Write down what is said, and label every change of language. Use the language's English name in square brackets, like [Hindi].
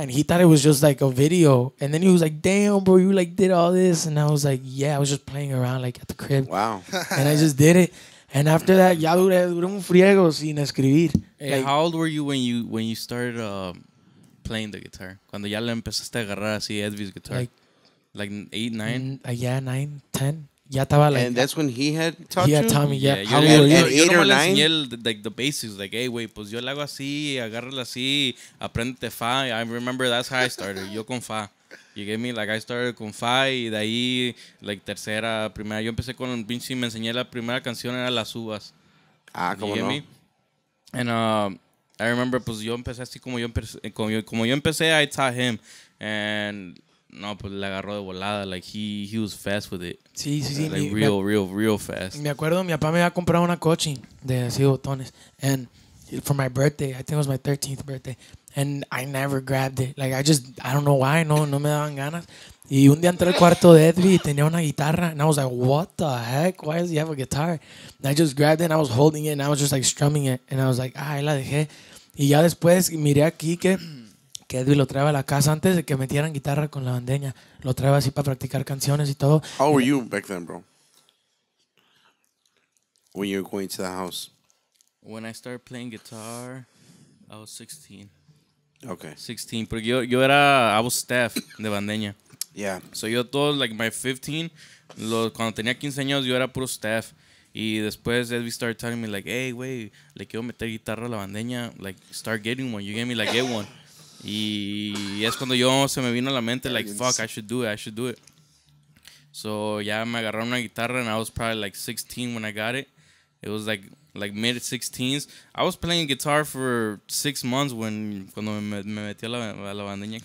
[English] And he thought it was just like a video. And then he was like, damn, bro, you like did all this. And I was like, yeah, I was just playing around like at the crib. Wow. And I just did it. And after that, [Spanish] ya duré un friego sin escribir. [English] Hey, like, how old were you when you started playing the guitar? [Spanish] Cuando ya le empezaste a agarrar así Edvis guitar. [English] Like 8, 9? Yeah, 9, 10. [Spanish] Ya estaba, [English] like, and that's when he had taught you? Yeah, Tommy, yeah. Yeah, how old you? 8 or 9? [Spanish] Yo le enseñé [English] the basics. [Spanish] Like, hey, wey, pues yo le hago así, agárralo así, aprendete fa. [English] I remember that's how I started. [Spanish] Yo con fa. [English] You get me? Like, I started con fa, [Spanish] y de ahí, [English] like, tercera, primera. [Spanish] Yo empecé con Vinci, me enseñé la primera canción, era Las Uvas. Ah, ¿cómo no? [English] You get me? [Spanish] And I remember, pues yo empecé así como yo empecé. Como yo empecé, [English] I taught him. [Spanish] And no, pues le agarró de volada. [English] Like, he was fast with it. [Spanish] Sí, sí, sí. [English] Like, real fast. [Spanish] Me acuerdo, mi papá me había comprado una coche de así botones. [English] And for my birthday, I think it was my 13th birthday. And I never grabbed it. Like, I don't know why. [Spanish] No me daban ganas. [English] Y un día entré al cuarto de Edwin y tenía una guitarra. And I was like, what the heck? Why does he have a guitar? And I just grabbed it and I was holding it and I was just like strumming it. And I was like, ah, ahí la dejé. [Spanish] Y ya después miré aquí que Edwin lo traía a la casa antes de que metieran guitarra con la bandeña. Lo traía así para practicar canciones y todo. [English] How were you back then, bro? When you were going to the house? When I started playing guitar, I was 16. Okay. [Spanish] 16. Porque yo era, [English] I was staff [Spanish] de bandeña. [English] Yeah. [Spanish] So yo todo, like, [English] my 15, [Spanish] cuando tenía 15 años, yo era puro staff. Y después, Edwin [English] started telling me, [Spanish] like, hey, güey, le quiero meter guitarra a la bandeña. [English] Like, start getting one. You get me, like, get one. [Spanish] Y es cuando yo se me vino a la mente, [English] like, fuck, I should do it. [Spanish] So ya me agarraron una guitarra, [English] and I was probably, like, 16 when I got it. It was, like mid-16s. I was playing guitar for 6 months [Spanish] cuando me metí a la bandeña.